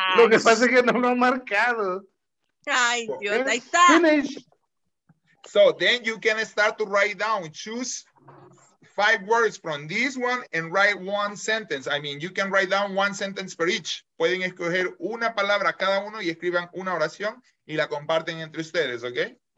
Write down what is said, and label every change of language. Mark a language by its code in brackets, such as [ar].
[es] Lo que pasa es que no lo han marcado. Ay, Dios, ahí está. [en] Finish. So then you can start to write down. Choose 5 words from this one and write 1 sentence. I mean, you can write down 1 sentence per each. [es] Pueden escoger una palabra cada uno y escriban una oración y la comparten entre ustedes, ¿ok?